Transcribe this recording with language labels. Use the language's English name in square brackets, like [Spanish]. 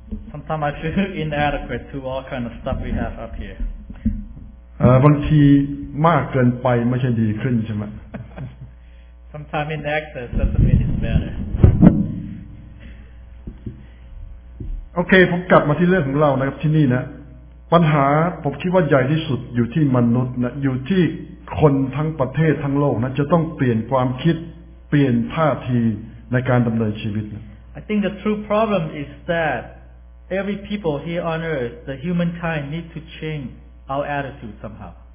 [English] Sometimes I feel inadequate to all kind of stuff we have up here. [Thai] บางทีมากเกินไปไม่ใช่ดีขึ้นใช่ไหม [English] Sometimes in excess doesn't mean it's better. [Thai] Okay, ผมกลับมาที่เรื่องของเรานะครับที่นี่นะ ปัญหาผมคิดว่าใหญ่ที่สุดอยู่ที่มนุษย์นะอยู่ที่คนทั้งประเทศทั้งโลกนะ จะต้องเปลี่ยนความคิดเปลี่ยนท่าทีในการดำเนินชีวิตนะ [English] I think the true problem is that every people here on earth, the humankind, need to change our attitude somehow.